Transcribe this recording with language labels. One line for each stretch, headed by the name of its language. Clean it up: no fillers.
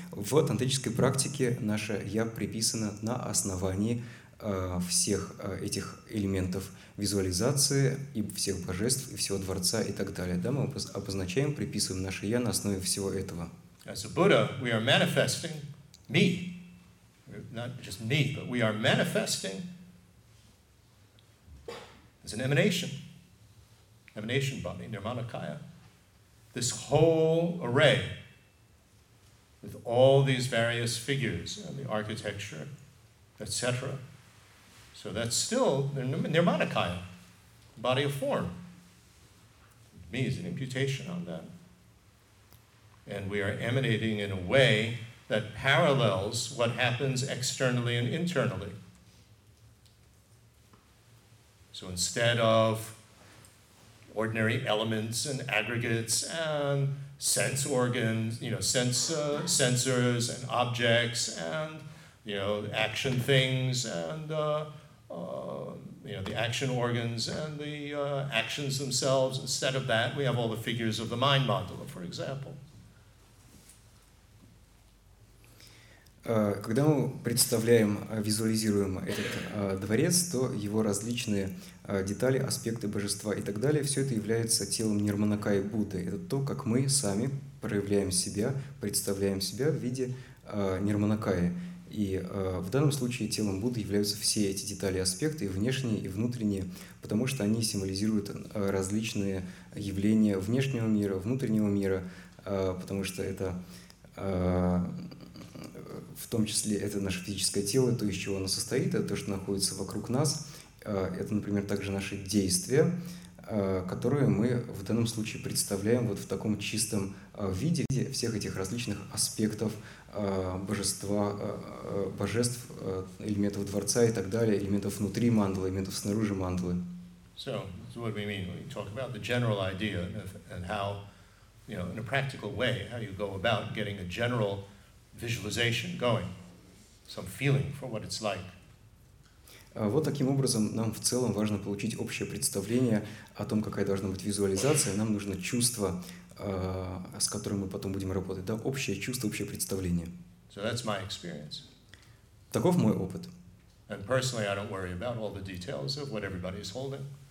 Russian: В тантрической практике наше «я» приписано на основании всех этих элементов визуализации и всех божеств, и всего дворца и так далее. Да, мы обозначаем, приписываем наше «я» на основе всего этого.
English: As a Buddha, we are manifesting me. Not just me, but we are manifesting as an emanation. Emanation body, nirmanakaya. This whole array. with all these various figures and the architecture, etc. So that's still, they're manikaya, body of form. To me, it's an imputation on them. And we are emanating in a way that parallels what happens externally and internally. So instead of ordinary elements and aggregates and sense organs, you know, sensors and objects and, you know, action things and, you know, the action organs and the actions themselves, instead of that, we have all the figures of the mind mandala, for example.
Russian: Когда мы представляем, визуализируем этот дворец, то его различные детали, аспекты божества и так далее, все это является телом Нирманакая Будды. Это то, как мы сами проявляем себя, представляем себя в виде Нирманакая. И в данном случае телом Будды являются все эти детали, аспекты, и внешние, и внутренние, потому что они символизируют различные явления внешнего мира, внутреннего мира, потому что это... в том числе это наше физическое тело, то, из чего оно состоит, это то, что находится вокруг нас. Это, например, также наши действия, которые мы в данном случае представляем вот в таком чистом виде всех этих различных аспектов божества, божеств, элементов дворца и так далее, элементов внутри мандалы, элементов снаружи мандалы.
English: So, what do we mean? We talk about the general idea and how, you know, in a practical way, how you go about getting a general visualization going, some feeling for what it's like.
Russian: Вот таким образом нам в целом важно получить общее представление о том, какая должна быть визуализация. Нам нужно чувство, с которым мы потом будем работать. Да, общее чувство, общее представление.
English: So that's my experience.
Russian: Таков мой опыт.
English: And personally, I don't worry about all the details of what everybody is holding.